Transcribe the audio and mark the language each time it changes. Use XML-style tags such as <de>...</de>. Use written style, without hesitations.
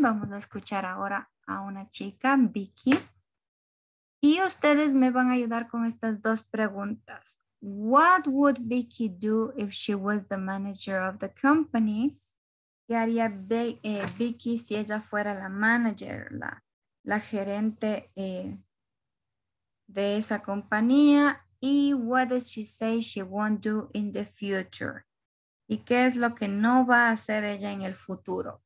<es>Vamos a escuchar ahora a una chica, Vicky. Y ustedes me van a ayudar con estas dos preguntas.</es> <en>What would Vicky do if she was the manager of the company?</en> <es>¿Qué haría Vicky si ella fuera la manager, la gerente de esa compañía?</es> <en>¿Y what does she say she won't do in the future?</en> <es>¿Y qué es lo que no va a hacer ella en el futuro?</es>